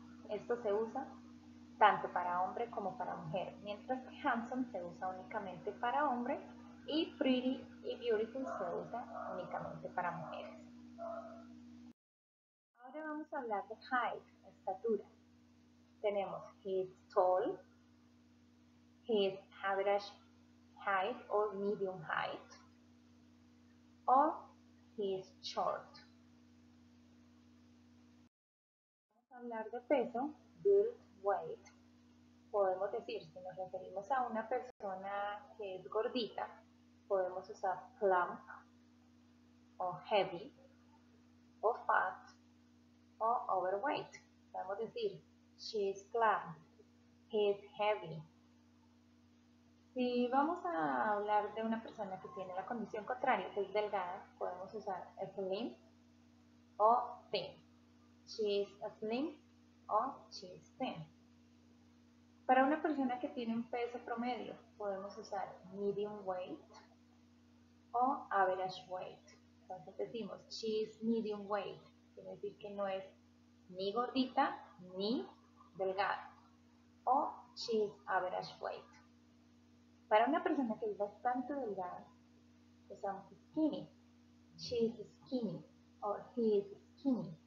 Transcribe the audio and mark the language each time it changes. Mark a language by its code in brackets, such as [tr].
[es] Esto se usa tanto para hombre como para mujer, mientras que handsome se usa únicamente para hombre y pretty y beautiful se usa únicamente para mujeres. Ahora vamos a hablar de height, estatura. [en] Tenemos he is tall, he is average height o medium height, o he is short. [es] Vamos a hablar de peso, build, weight. Podemos decir, si nos referimos a una persona que es gordita, podemos usar plump o heavy o fat. O overweight. Podemos decir, [en] she is plump, he is heavy. [es] Si vamos a hablar de una persona que tiene la condición contraria, que es delgada, podemos usar slim o thin. [en] She is slim o she is thin. [es] Para una persona que tiene un peso promedio, podemos usar medium weight o average weight. Entonces decimos, [en] she is medium weight. [es] Quiere decir que no es ni gordita, ni delgada. O [en] she is average weight. [es] Para una persona que es bastante delgada, usamos skinny. [en] She is skinny. O he is skinny.